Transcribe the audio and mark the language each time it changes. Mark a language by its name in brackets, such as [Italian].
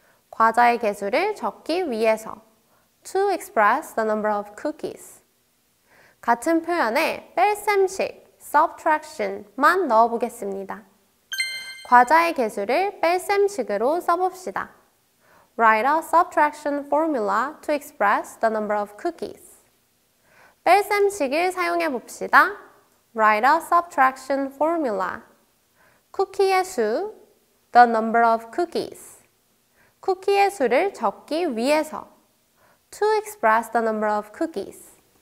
[Korean] 과자의 개수를 적기 위해서. [English] To express the number of cookies. [Korean] 같은 표현에 뺄셈식, subtraction만 넣어보겠습니다. 과자의 개수를 뺄셈식으로 써봅시다. [English] Write a subtraction formula to express the number of cookies. [Korean] 뺄셈식을 사용해봅시다. [English] Write a subtraction formula. [Korean] 쿠키의 수, [English] the number of cookies. [Korean] 쿠키의 수를 적기 위해서. [English] To express the number of cookies.